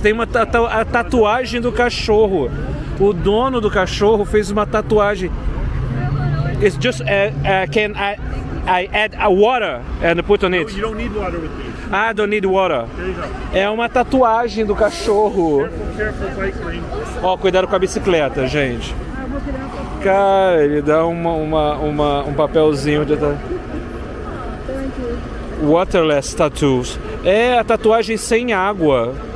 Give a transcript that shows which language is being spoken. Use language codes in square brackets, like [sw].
[pt] Tem uma a tatuagem do cachorro. O dono do cachorro fez uma tatuagem. [en] It's just can I add a water and put on it. No, you don't need water with these. Ah, I don't need water. There you go. [pt] É uma tatuagem do cachorro. [en] Careful, [pt] cuidado com a bicicleta, gente. Cara, ele dá um papelzinho de [en] waterless tattoos. [pt] É a tatuagem sem água.